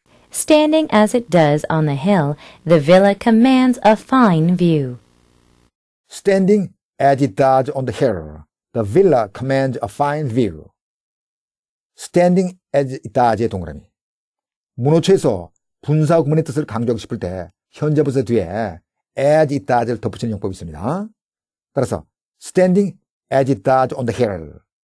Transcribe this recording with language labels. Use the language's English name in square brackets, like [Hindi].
[English] Standing as it does on the hill, the villa commands a fine view. Standing As it does on the hill, the villa commands a fine view. Standing as it does의 동그라미. [Korean] 문어체에서 분사구문의 뜻을 강조하고 싶을 때 현재 분사 뒤에 as it does를 덧붙이는 용법이 있습니다. [English] 따라서 standing as it does on the hill.